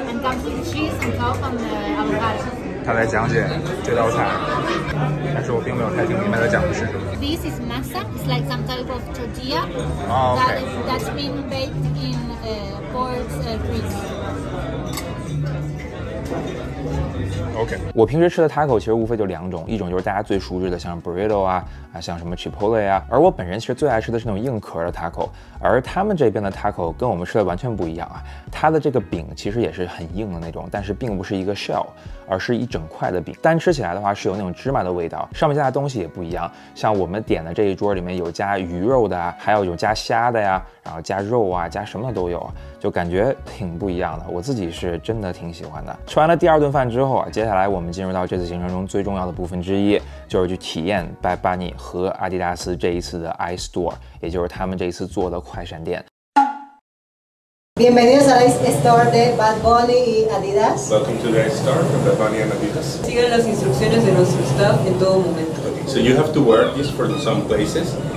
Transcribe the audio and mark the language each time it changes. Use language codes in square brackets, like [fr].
[zh] 他来讲解这道菜，但是我并没有太听明白他讲的是什么。 [en] This is masa, it's like some type of tortilla、 oh, okay. that's been baked in pork grease. OK. [zh] 我平时吃的 taco 其实无非就两种，一种就是大家最熟知的像 burrito 啊像什么 chipotle 啊，而我本人其实最爱吃的是那种硬壳的 taco， 而他们这边的 taco 跟我们吃的完全不一样啊，它的这个饼其实也是很硬的那种，但是并不是一个 shell， 而是一整块的饼，单吃起来的话是有那种芝麻的味道，上面加的东西也不一样，像我们点的这一桌里面有加鱼肉的，还有有加虾的呀，然后加肉啊，加什么的都有，就感觉挺不一样的，我自己是真的挺喜欢的。吃完了第二顿饭之后啊，接下来我们进入到这次行程中最重要的部分之一，就是去体验 Bad Bunny 和阿迪达斯这一次的 iStore， 也就是他们这一次做的快闪店。 [es] Bienvenidos al iStore de Bad Bunny y Adidas. [en] Welcome to the iStore of Bad Bunny and Adidas. [es] Sigan las instrucciones de nuestro staff en todo momento. [en] Okay, so you have to wear this for some places.